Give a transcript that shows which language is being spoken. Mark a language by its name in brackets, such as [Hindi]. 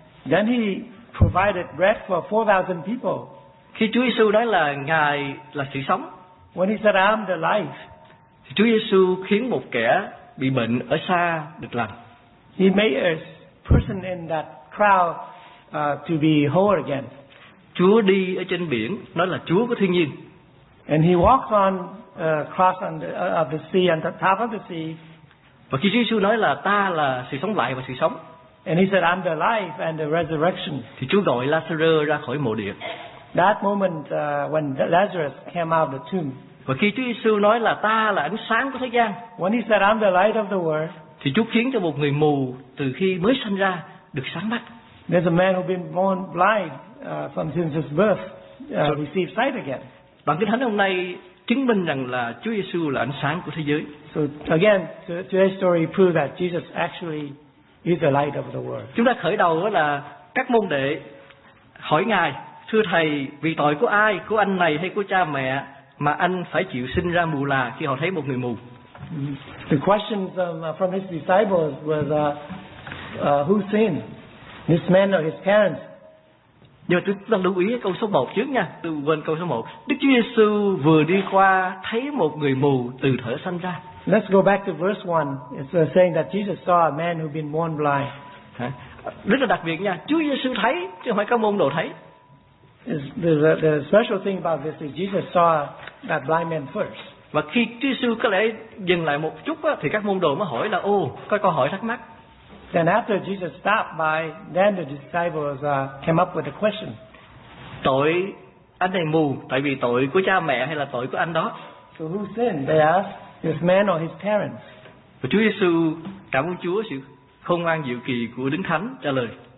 [English] Then he provided bread for 4,000 people. [Vietnamese] Khi Chúa Giêsu nói là Ngài là sự sống. [English] When he said I'm the life. [Vietnamese] Thì Chúa Giêsu khiến một kẻ bị bệnh ở xa được lành. [English] He made a person in that crowd to be whole again. [Vietnamese] Chúa đi ở trên biển, nói là Chúa của thiên nhiên. [English] And he walked on across on the, of the sea and the top of the sea. [Vietnamese] Và khi Chúa Giêsu nói là ta là sự sống lại và sự sống. [English] And he said I'm the life and the resurrection. [Vietnamese] Thì Chúa gọi Lazarus ra khỏi mộ địa. [English] That moment when Lazarus came out of the tomb. [Vietnamese] Và khi Chúa Giêsu nói là ta là ánh sáng của thế gian. [English] When he said I'm the light of the world. [Vietnamese] Thì Chúa khiến cho một người mù từ khi mới sinh ra được sáng mắt. [English] There's a man who's been born blind. From since his birth, receive sight again. [Vietnamese] Bản kinh thánh hôm nay chứng minh rằng là Chúa Giêsu là ánh sáng của thế giới. [English] So again, today's story proves that Jesus actually is the light of the world. [Vietnamese] Chúng ta khởi đầu là các môn đệ hỏi Ngài, thưa thầy, vì tội của ai, của anh này hay của cha mẹ mà anh phải chịu sinh ra mù là khi họ thấy một người mù? [English] The questions from his disciples was who sinned, this man or his parents? [Vietnamese] Nhưng mà tôi lưu ý câu số 1 trước nha. Tôi quên câu số 1. Đức Chúa Giêsu vừa đi qua thấy một người mù từ thở sanh ra. [English] Let's go back to verse 1. It's saying that Jesus saw a man who'd been born blind. [Vietnamese] Rất là đặc biệt nha. Chúa Giêsu thấy chứ không phải các môn đồ thấy. [English] The special thing about this is Jesus saw that blind man first. [Vietnamese] Và khi Chúa Giêsu có lẽ dừng lại một chút á, thì các môn đồ mới hỏi là ô, có câu hỏi thắc mắc. [English] Then after Jesus stopped by, then the disciples came up with a question. [Vietnamese] Tội anh này mù, tại vì tội của cha mẹ hay là tội của anh đó? [English] So who sinned? They asked, his man or his parents? [Vietnamese] Và Chúa Giêsu cảm ơn Chúa sự khôn ngoan diệu kỳ của Đấng Thánh trả lời.